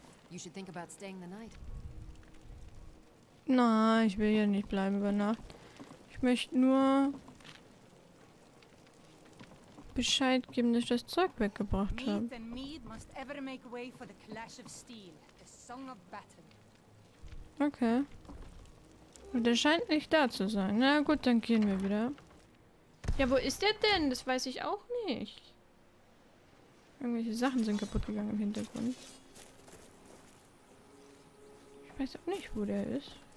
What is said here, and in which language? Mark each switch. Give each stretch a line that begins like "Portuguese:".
English: You should think about staying the night.
German: Na, ich will hier nicht bleiben über Nacht. Ich möchte nur Bescheid geben, dass ich das Zeug weggebracht habe.
English: Mead and Mead must ever make way for the Clash of Steel, the Song of Battle.
German: Okay. Und der scheint nicht da zu sein. Na gut, dann gehen wir wieder. Ja, wo ist der denn? Das weiß ich auch nicht. Irgendwelche Sachen sind kaputt gegangen im Hintergrund. Ich weiß auch nicht, wo der ist.